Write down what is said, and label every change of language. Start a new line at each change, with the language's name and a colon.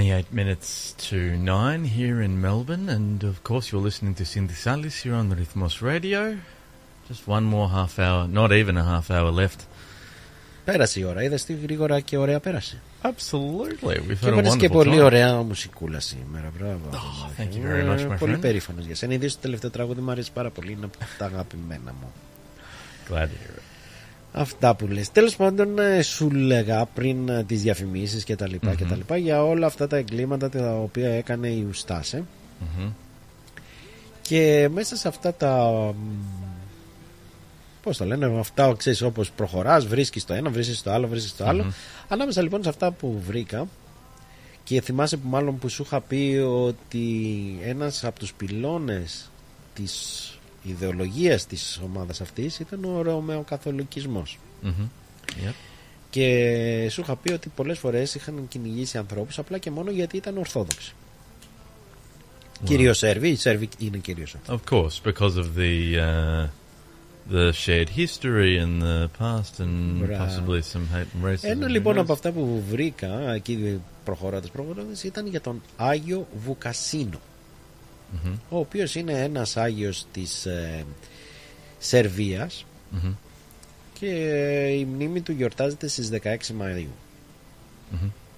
English: Minutes to 9 here in Melbourne, and of course you're listening to Synthesalis here on the Rhythmos Radio. Just one more half hour, not even a half hour left.
Greek: Πέρασε η ώρα, είδες τι γρήγορα και ωραία πέρασε.
English: Absolutely.
Greek: Και έπαιρνες και πολύ ωραία μουσικούλα σήμερα, μπράβο.
English: Thank you very much, my friend.
Greek: Πολύ περήφανος για σένα, ειδήσει το τελευταίο τραγούδι μου αρέσει πάρα πολύ, είναι από τα αγαπημένα μου.
English: Glad to hear it.
Greek: Αυτά που λες. Τέλος πάντων, σου λέγα πριν τις διαφημίσεις και τα λοιπά, mm-hmm. και τα λοιπά, για όλα αυτά τα εγκλήματα τα οποία έκανε η Ουστάσε. Mm-hmm. Και μέσα σε αυτά τα... πώς το λένε, αυτά, ξέρεις, όπως προχωράς, βρίσκεις το ένα, βρίσκεις το άλλο, βρίσκεις το άλλο. Mm-hmm. Ανάμεσα λοιπόν σε αυτά που βρήκα, και θυμάσαι που μάλλον που σου είχα πει ότι ένας από τους πυλώνες της... η ιδεολογία της ομάδας αυτής ήταν ο ρωμαιοκαθολικισμός.
English: Mm-hmm. Yep.
Greek: Και σου είχα πει ότι πολλές φορές είχαν κυνηγήσει ανθρώπους απλά και μόνο γιατί ήταν ορθόδοξοι. Well, κυρίως Σέρβοι, οι Σέρβοι είναι κυρίως αυτοί.
English: Of course, because of the shared history and the past and possibly some hate and racism.
Greek: Ένα λοιπόν από αυτά που βρήκα εκεί προχωρώντας ήταν για τον Άγιο Βουκασίνο. Mm-hmm. Ο οποίος είναι ένας Άγιος της Σερβίας, mm-hmm. και η μνήμη του γιορτάζεται στις 16 Μαΐου. Mm-hmm.